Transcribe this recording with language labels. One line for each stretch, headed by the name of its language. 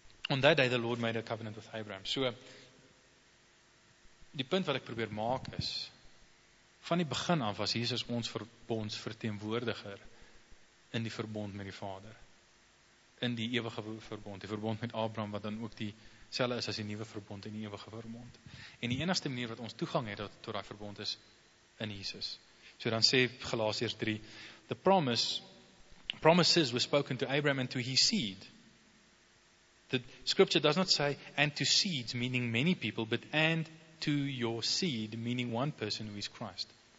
English: On that day the Lord made a covenant with Abraham.
Afrikaans: So, die punt wat ek probeer maak is, van die begin af was Jesus ons verbondsverteenwoordiger in die verbond met die Vader. In die ewige verbond, die verbond met Abraham, wat dan ook die selfe is as die nuwe verbond en die ewige verbond. En die enigste manier wat ons toegang het tot daai verbond is, in Jesus. So dan sê
English: Galasiërs 3, the promises were spoken to Abraham and to his seed. The scripture does not say, and to seeds, meaning many people, but and to your seed, meaning one person who is Christ.